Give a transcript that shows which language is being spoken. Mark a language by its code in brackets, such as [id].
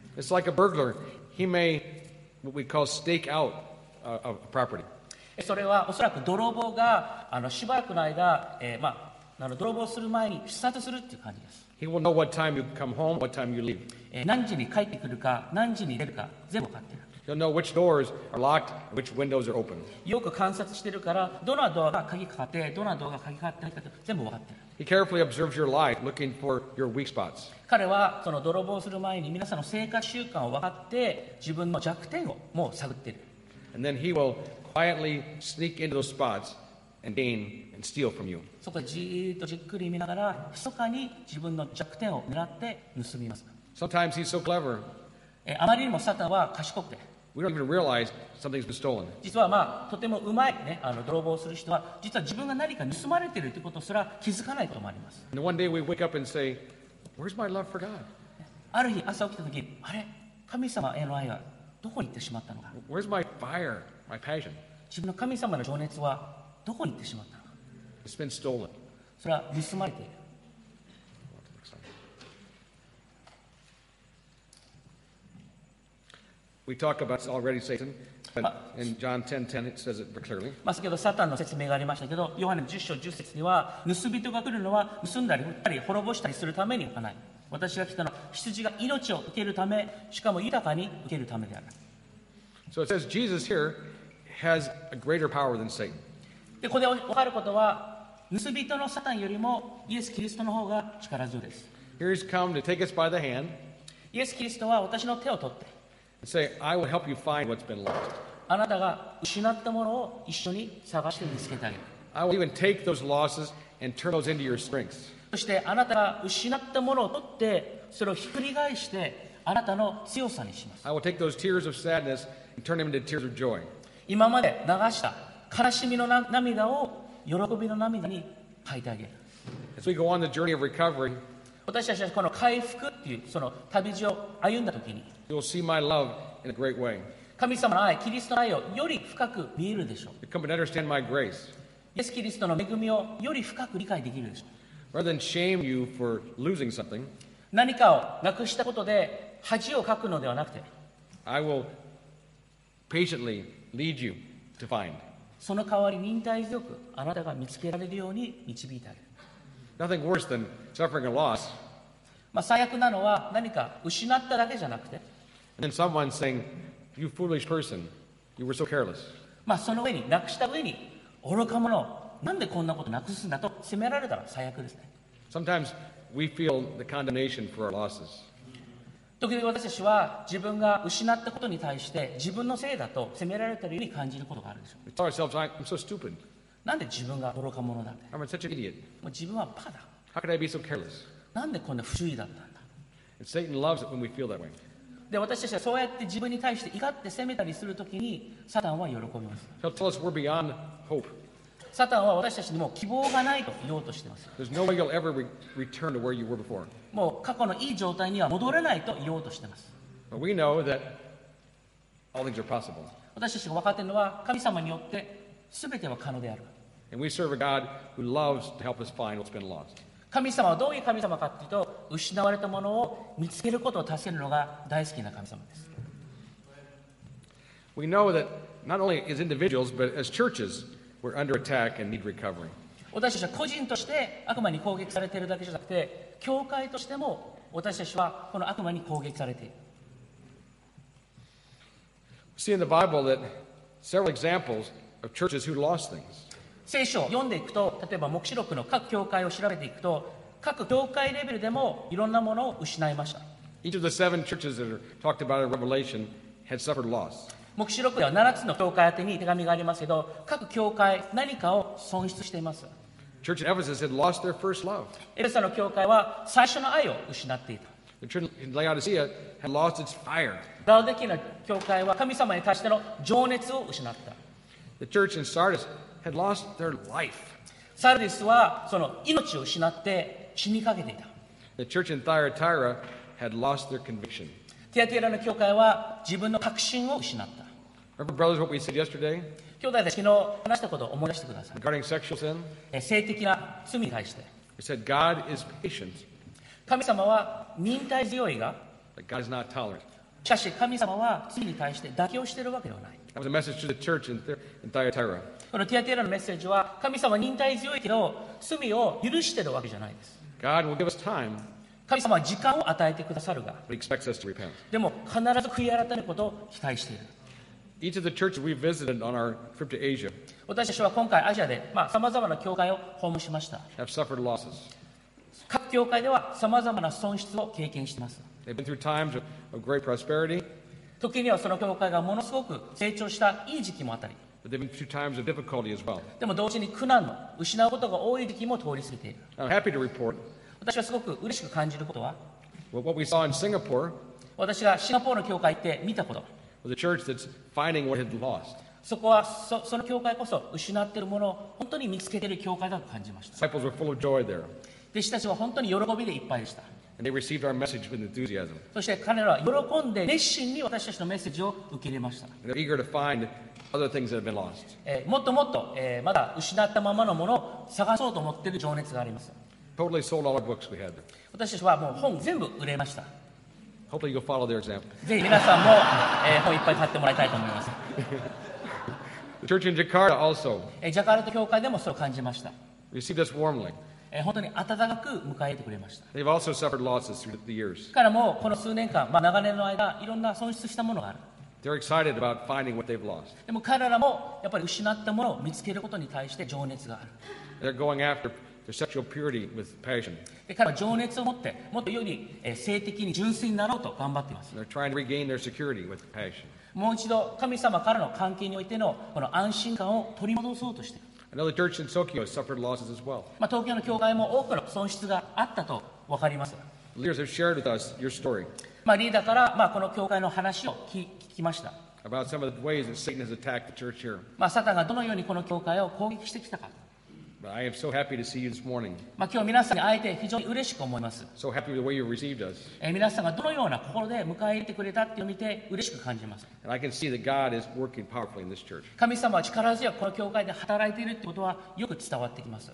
[en] It's like a burglar. He may what we call stake out a property. [ja] それはおそらく泥棒がしばらくの間、まあ泥棒する前に視察するっていう感じです。 [en] He will know what time you come home, what time you leave. [ja] 何時に帰ってくるか、何時に出るか、全部分かってる。 [en] He'll know which doors are locked, which windows are open. [ja] よく観察してるから、どのドアが鍵かかって、どのドアが鍵かかってないか、全部分かってる。 [en] He carefully observes your life, looking for your weak spots. [ja] 彼はその泥棒する前に皆さんの生活習慣を分かって、自分の弱点をもう探ってる。 [en] And then he will quietly sneak into those spots. And gain and steal from you. [ja] そこでじーっとじっくり見ながら、密かに自分の弱点を狙って盗みます。 [en] Sometimes he's so clever. [ja] あまりにもサタンは賢くて。 [en] We don't even realize something's been stolen. [ja] 実はまあとてもうまいね、泥棒する人は実は自分が何か盗まれているということすら気づかないこともあります。 [en] And one day we wake up and say, "Where's my love for God?" [ja] ある日朝起きた時、あれ、神様への愛はどこに行ってしまったのか。 [en] Where's my fire, my passion? [ja] 自分の神様の情熱はどこに行ってしまったのか。 [en] It's been stolen. [ja] それは盗まれている。 [en] We talk about already Satan, in John 10:10 it says it very clearly. [ja] まあ先ほどサタンの説明がありましたけど、ヨハネの10章10節には盗人が来るのは盗んだり売ったり滅ぼしたりするために行かない。私が来たのは羊が命を受けるため、しかも豊かに受けるためである。 [en] So it says Jesus here has a greater power than Satan. [ja] でここで分かることは盗人のサタンよりもイエス・キリストの方が力強いです。 [en] Here he's come to take us by the hand. [ja] イエス・キリストは私の手を取って。 [en] And say, I will help you find what's been lost. [ja] あなたが失ったものを一緒に探して見つけてあげる。 [en] I will even take those losses and turn those into your strengths. [ja] そしてあなたが失ったものを取って、それをひっくり返してあなたの強さにします。 [en] I will take those tears of sadness and turn them into tears of joy. [ja] 今まで流した悲しみの涙を喜びの涙に変えてあげる。 [en] As we go on the journey of recovery, [ja] 私たちはこの回復っていうその旅路を歩んだときに、 [en] You'll see my love in a great way. [ja] 神様の愛、キリストの愛をより深く見えるでしょう。 [en] You'll come to understand my grace. [ja] イエス・キリストの恵みをより深く理解できるでしょう。 [en] Rather than shame you for losing something, [ja] 何かをなくしたことで恥をかくのではなくて、 [en] I will patiently lead you to find. [ja] その代わり忍耐強くあなたが見つけられるように導いてあげる。 [en] Nothing worse than suffering a loss. [ja] まあ、最悪なのは何か失っただけじゃなくて、 [en] And then someone saying, you foolish person, you were so careless. [ja] まあその上に、なくした上に、愚か者、なんでこんなことなくすんだと責められたら最悪ですね。 [en] Sometimes we feel the condemnation for our losses. [ja] 時々私たちは自分が失ったことに対して自分のせいだと責められたように感じることがあるでしょう。 [en] We tell ourselves, I'm so stupid. [ja] なんで自分が愚か者なんだ。 [en] I'm such an idiot. [ja] もう自分はバカだ。 [en] How could I be so careless? [ja] なんでこんな不注意だったんだ。 [en] And Satan loves it when we feel that way. [ja] で、私たちはそうやって自分に対して怒って責めたりするときに、サタンは喜びます。 [en] He'll tell us we're beyond hope. [ja] サタンは私たちにもう希望がないと言おうとしています。 [en] There's no way you'll ever return to where you were before. [ja] もう過去のいい状態には戻れないと言おうとしています。 [en] But we know that all things are possible. [ja] 私たちが分かっているのは、神様によって全ては可能である。 [en] And we serve a God who loves to help us find what's been lost. [ja] 神様はどういう神様かというと、失われたものを見つけることを助けるのが大好きな神様です。 [en] We know that not only as individuals, but as churches, we're under attack and need recovery. [ja] 私たちは個人として悪魔に攻撃されているだけじゃなくて、教会としても私たちはこの悪魔に攻撃されている。 [en] See in the Bible that several examples of churches who lost things. [ja] 聖書を読んでいくと、例えば黙示録の各教会を調べていくと、各教会レベルでもいろんなものを失いました。 [en] Each of the seven churches that are talked about in Revelation had suffered loss. [ja] 黙示録では7つの教会宛に手紙がありますけど、各教会何かを損失しています。 [en] Church in Ephesus had lost their first love. [ja] エフェソの教会は最初の愛を失っていた。 [en] The church in Laodicea had lost its fire. [ja] ラオデキアの教会は神様に対しての情熱を失った。 [en] The church in Sardis. Had lost their life. [ja] サルディスはその命を失って死にかけていた。 [en] The church in Thyatira had lost their conviction. [ja] ティアティラの教会は自分の確信を失った。 [en] Remember, brothers, what we said yesterday? [ja] 兄弟たち、昨日話したことを思い出してください。 [en] Regarding sexual sin? [ja] 性的な罪に対して。 [en] We said God is patient. [ja] 神様は忍耐強いが。 [en] But God is not tolerant. [ja] しかし神様は罪に対して妥協しているわけではない。 [en] That was a message to the church in Thyatira. [ja] このティアティラのメッセージは神様は忍耐強いけど罪を許しているわけじゃないです。 [en] God will give us time, [ja] 神様は時間を与えてくださるが、 [en] but he expects us to repent. [ja] でも必ず悔い改めることを期待している。 [en] Each of the churches we visited on our trip to Asia, [ja] 私たちは今回アジアで、まあ、さまざまな教会を訪問しました。 [en] Have suffered losses. [ja] 各教会ではさまざまな損失を経験しています。 [en] They've been through times of great prosperity. [ja] 時にはその教会がものすごく成長したいい時期もあったり。 [en] But there have been two times of difficulty as well. [ja] でも同時に苦難も失うことが多い時期も通り過ぎている。 [en] I'm happy to report. [ja] 私はすごく嬉しく感じることは、 [en] well, what we saw in Singapore, [ja] 私がシンガポールの教会行って見たこと、 [en] was a church that's finding what had lost. [ja] そこはその教会こそ失っているものを本当に見つけている教会だと感じました。 [en] Disciples were full of joy there. [ja] 弟子たちは本当に喜びでいっぱいでした。 [en] And they received our message with enthusiasm. [ja] そして彼らは喜んで熱心に私たちのメッセージを受け入れました。 [en] They're eager to find other things that have been lost. [ja] もっともっと、まだ失ったままのものを探そうと思っている情熱があります。 [en] Totally sold all our books we had. [ja] 私たちはもう本全部売れました。 [en] Hopefully you'll follow their example. [ja] ぜひ皆さんも、本いっぱい買ってもらいたいと思います。 [en] The church in Jakarta also. [ja] ジャカルタ教会でもそれを感じました。 [en] Received us warmly. [ja] 本当に温かく迎えてくれました。 [en] They've also suffered losses through the years. [ja] からもこの数年間、長年の間、いろんな損失したものがある。 [en] They're excited about finding what they've lost. [ja] でも彼らもやっぱり失ったものを見つけることに対して情熱がある。 [en] They're going after their sexual purity with passion. [ja] で彼らは情熱を持って、もっとより性的に純粋になろうと頑張っています。 [en] They're trying to regain their security with passion. [ja] もう一度神様からの関係においてのこの安心感を取り戻そうとしている [en] 。I know the church in Tokyo suffered losses as well. [ja] まあ東京の教会も多くの損失があったと分かります。 [en] Leaders have shared with us your story. [ja] まあリーダーからまあこの教会の話を聞きました。 [en] About some of the ways that Satan has attacked the church here. [ja] まあサタンがどのようにこの教会を攻撃してきたか。 [en] But I am so happy to see you this morning. [ja] まあ今日皆さんに会えて非常に嬉しく思います。 [en] So happy with the way you received us. [ja] 皆さんがどのような心で迎え入れてくれたっていうのを見て嬉しく感じます。 [en] And I can see that God is working powerfully in this church. [ja] 神様は力強くこの教会で働いているってことはよく伝わってきます。